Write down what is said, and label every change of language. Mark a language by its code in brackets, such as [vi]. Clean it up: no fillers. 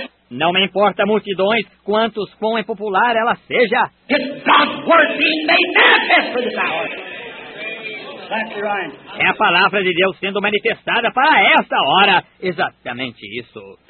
[pt] Não me importa multidões, quantos quão impopular ela seja. [en] It's God's word being made manifest for this hour. exactly right. [pt] É a palavra de Deus sendo manifestada para esta hora. Exatamente isso.